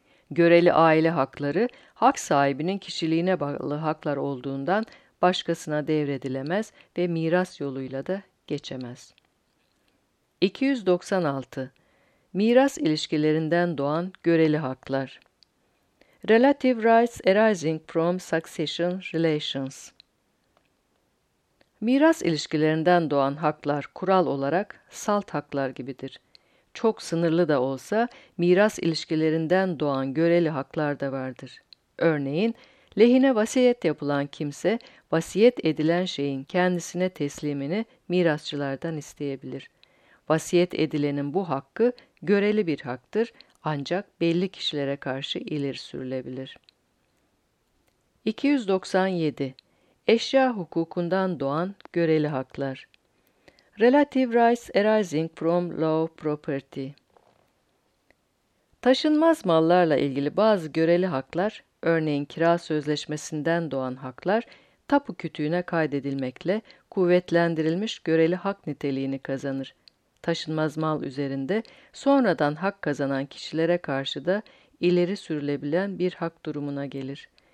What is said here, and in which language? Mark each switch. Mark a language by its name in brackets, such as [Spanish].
[Turkish] Göreli aile hakları, hak sahibinin kişiliğine bağlı haklar olduğundan başkasına devredilemez ve miras yoluyla da geçemez. 296. Miras ilişkilerinden doğan göreli haklar. [English] Relative rights arising from succession relations. [Turkish] Miras ilişkilerinden doğan haklar kural olarak salt haklar gibidir. Çok sınırlı da olsa miras ilişkilerinden doğan göreli haklar da vardır. Örneğin, lehine vasiyet yapılan kimse, vasiyet edilen şeyin kendisine teslimini mirasçılardan isteyebilir. Vasiyet edilenin bu hakkı göreli bir haktır, ancak belli kişilere karşı ileri sürülebilir. 297. Eşya hukukundan doğan göreli haklar. [English] Relative rights arising from law property. [Turkish] Taşınmaz mallarla ilgili bazı göreli haklar, örneğin kira sözleşmesinden doğan haklar, tapu kütüğüne kaydedilmekle kuvvetlendirilmiş göreli hak niteliğini kazanır. Taşınmaz mal üzerinde sonradan hak kazanan kişilere karşı da ileri sürülebilen bir hak durumuna gelir.